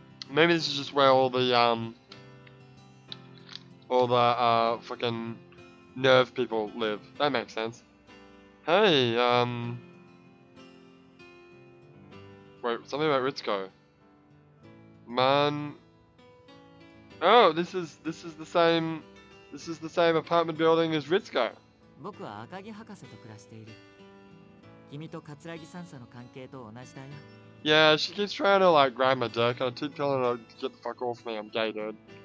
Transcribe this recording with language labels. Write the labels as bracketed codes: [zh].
[en] Maybe this is just where all the fucking nerve people live. That makes sense. Hey, wait, something about Ritsuko. Man. Oh, this is the same apartment building as Ritsuko. [ja] 僕は赤木博士と暮らしている。君と桂木さんの関係と同じだよ。 [en] Yeah, she keeps trying to like grab my dick and I keep telling her to get the fuck off me, I'm gay, dude.